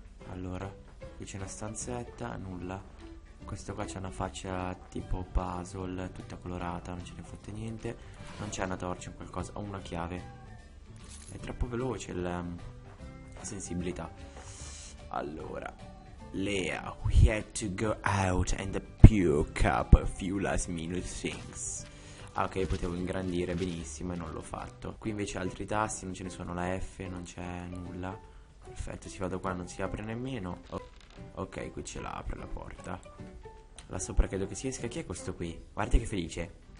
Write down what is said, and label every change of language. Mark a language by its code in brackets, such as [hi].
[it] Allora, qui c'è una stanzetta, nulla. Questo qua c'è una faccia tipo puzzle, tutta colorata, non ce ne fotte niente. Non c'è una torcia o qualcosa, ho una chiave. È troppo veloce la sensibilità. Allora, [en] Lea, we had to go out and puke up a few last minute things. [it] Ah, ok, potevo ingrandire benissimo e non l'ho fatto. Qui invece altri tasti, non ce ne sono, la F, non c'è nulla. Perfetto, si vado qua, non si apre nemmeno. Ok, qui ce l'apre la porta. Là sopra credo che si esca. Chi è questo qui? Guarda che felice.